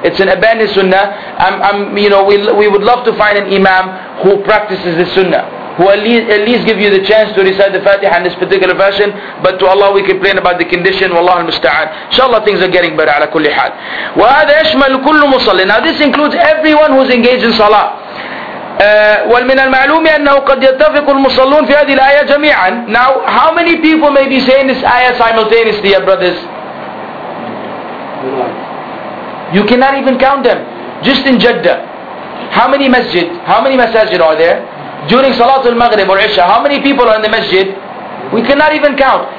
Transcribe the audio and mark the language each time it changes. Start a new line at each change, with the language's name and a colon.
English: It's an abandoned sunnah. We would love to find an imam who practices this sunnah, who at least give you the chance to recite the Fatiha in this particular fashion. But to Allah, we complain about the condition.
Arabic: Wallahu al-musta'an.
English: Inshallah, things are getting better.
Arabic: Ala kulli hal. Wa hadha yashmal kullu musalli.
English: Now, this includes everyone who's engaged in salah.
Arabic: ومن المعلوم أنه قد يتفق المصلون في هذه الآية جميعا.
English: Now, how many people may be saying this ayah simultaneously, brothers? You cannot even count them. Just in Jeddah, how many masjid are there during Salatul Maghrib or Isha? How many people are in the masjid? We cannot even count.